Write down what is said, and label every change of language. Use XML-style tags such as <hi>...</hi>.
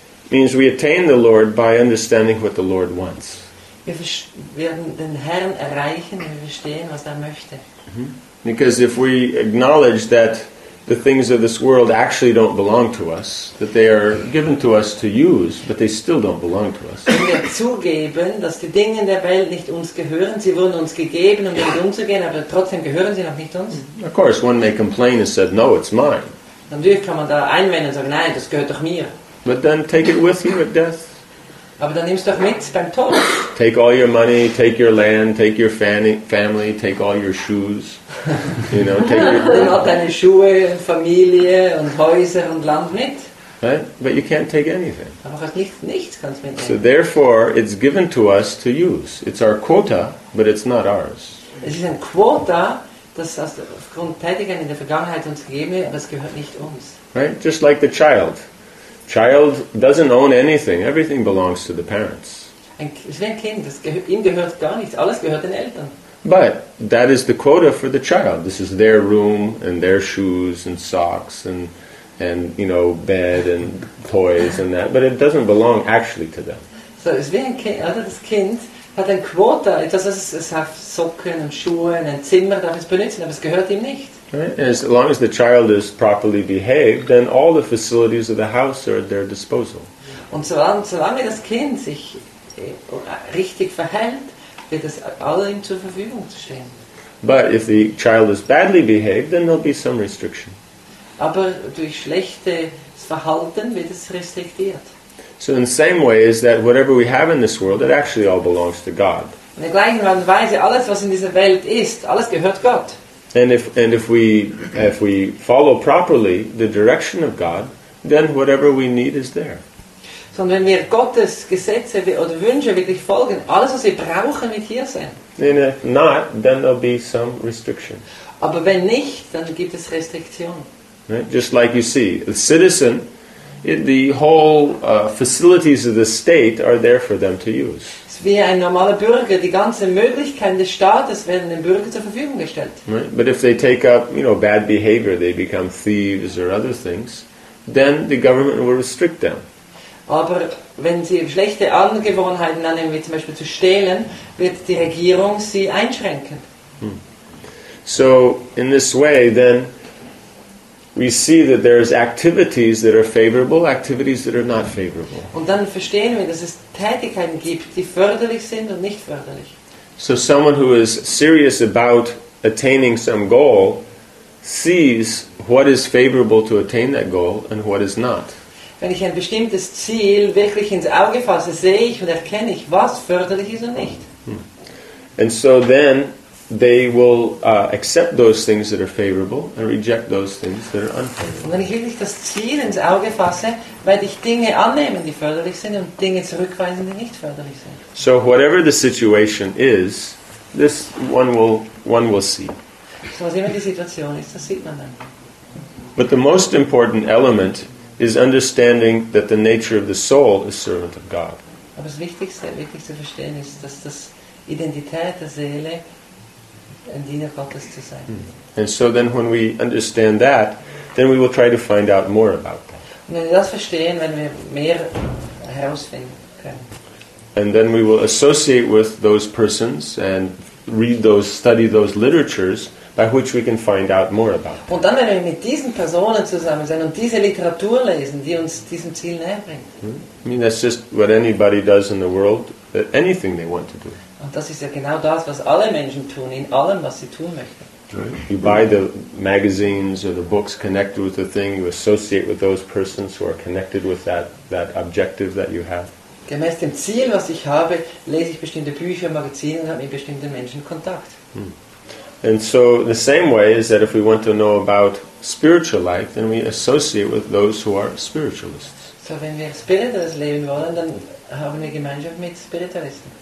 <en>Means we attain the Lord by understanding what the Lord wants. Because if we acknowledge that the things of this world actually don't belong to us, that they are given to us to use, but they still don't belong to us.</en> <de>Wenn wir zugeben, dass die Dinge in der Welt nicht uns gehören, sie wurden uns gegeben, um damit umzugehen, aber trotzdem gehören sie noch nicht uns.</de> <en>Of course, one may complain and say, no, it's mine.</en> <de>Natürlich kann man da einwenden und sagen, nein, das gehört doch mir.</de> <en>But then take it with you at death.</en> <de>Aber dann nimm's doch mit beim Tod.</de> <en>Take all your money, take your land, take your family, take all your shoes. You know, take your</en> <de>dann hat deine Schuhe, Familie und Häuser und Land mit.</de> <en>Right? But you can't take anything.</en> <de>Aber hast nichts kannst mitnehmen.</de> <en>So therefore, it's given to us to use. It's our quota, but it's not ours.</en> <de>Es ist ein Quota, das aufgrund Tätigkeiten in der Vergangenheit uns gegeben wird, aber es gehört nicht uns.</de> <en>Right? Just like the child. Child doesn't own anything. Everything belongs to the parents.</en> <de>Ein Kind, das ihm gehört gar nichts. Alles gehört den Eltern.</de> <en>But that is the quota for the child. This is their room and their shoes and socks and you know, bed and toys and that. But it doesn't belong actually to them.</en> <de>So es wie ein Kind, oder das Kind hat ein Quota. Es hat Socken und Schuhe und ein Zimmer, darf es benutzen, aber es gehört ihm nicht.</de> <en>Right? As long as the child is properly behaved, then all the facilities of the house are at their disposal.</en> <de>Und solange das Kind sich richtig verhält, wird es allen zur Verfügung stehen.</de> <en>But if the child is badly behaved, then there'll be some restriction.</en> <de>Aber durch schlechtes Verhalten wird es restriktiert.</de> <en>So in the same way is that whatever we have in this world, it actually all belongs to God.</en> <de>In der gleichen Art und Weise, alles was in dieser Welt ist, alles gehört Gott.</de> <en>And if we follow properly the direction of God, then whatever we need is there.</en> <de>So wenn wir Gottes Gesetze oder Wünsche wirklich folgen, alles was wir brauchen wird hier sein.</de> <en>And if not, then there'll be some restriction.</en> <de>Aber wenn nicht, dann gibt es Restriktion.</de> <en>Right? Just like you see, a citizen, the whole facilities of the state are there for them to use.</en> <de>Wie ein normaler Bürger, die ganze Möglichkeit des Staates werden dem Bürger zur Verfügung gestellt.</de> <en>Right. But if they take up, you know, bad behavior, they become thieves or other things, then the government will restrict them.</en> <de>Aber wenn sie schlechte Angewohnheiten annehmen, wie zum Beispiel zu stehlen, wird die Regierung sie einschränken. Hmm.</de> <en>So in this way, then we see that there is activities that are favorable, activities that are not favorable.</en> <de>Und dann verstehen wir, dass es Tätigkeiten gibt, die förderlich sind und nicht förderlich.</de> <en>So someone who is serious about attaining some goal sees what is favorable to attain that goal and what is not.</en> <de>Wenn ich ein bestimmtes Ziel wirklich ins Auge fasse, sehe ich und erkenne ich, was förderlich ist und nicht.</de> <en>And so then they will accept those things that are favorable and reject those things that are unfavorable.</en> <de>Und wenn ich wirklich das Ziel ins Auge fasse, werde ich Dinge annehmen, die förderlich sind, und Dinge zurückweisen, die nicht förderlich sind.</de> <en>So whatever the situation is, this one will see.</en> <de>So was immer die Situation ist, das sieht man dann.</de> <en>But the most important element is understanding that the nature of the soul is servant of God.</en> <de>Aber das Wichtigste, wirklich zu verstehen, ist, dass das Identität der Seele ein Diener Gottes zu sein.</de> <en>And so then when we understand that, then we will try to find out more about that.</en> <de>Und wenn wir das verstehen, wenn wir mehr herausfinden können.</de> <en>And then we will associate with those persons and read those, study those literatures by which we can find out more about them.</en> <de>Und dann werden wir mit diesen Personen zusammen sein und diese Literatur lesen, die uns diesem Ziel näher bringt.</de> <en>I mean, that's just what anybody does in the world, anything they want to do.</en> <de>Und das ist ja genau das, was alle Menschen tun, in allem, was sie tun möchten.</de> <en>Right. You buy the magazines or the books connected with the thing, you associate with those persons who are connected with that objective that you have.</en> <de>Gemäß dem Ziel, was ich habe, lese ich bestimmte Bücher, Magazine und habe mit bestimmten Menschen Kontakt. Hmm.</de> <en>And so the same way is that if we want to know about spiritual life, then we associate with those who are spiritualists.</en> <de>So wenn wir spirituelles Leben wollen, dann haben wir Gemeinschaft mit Spiritualisten.</de>